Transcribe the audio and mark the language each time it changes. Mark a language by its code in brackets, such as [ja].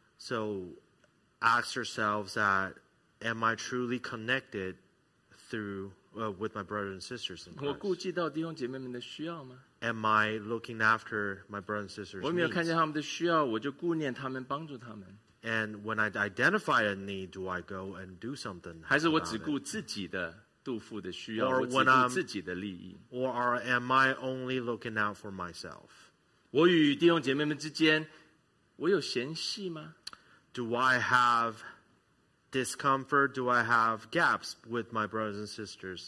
[en] So ask yourselves that am I truly connected through with my brothers and sisters in Christ. [zh] 我顾及到弟兄姐妹们的需要吗? [en] Am I looking after my brothers and sisters' [zh] 我没有看见他们的需要, [en] needs? [zh] 我就顾念他们, [en] and when I identify a need, do I go and do something? [zh] 还是我只顾自己的肚腹的需要, [en] or, when I'm, or am I only looking out for myself? [zh] 我与弟兄姐妹们之间, 我有嫌隙吗? [en] Do I have discomfort? Do I have gaps with my brothers and sisters?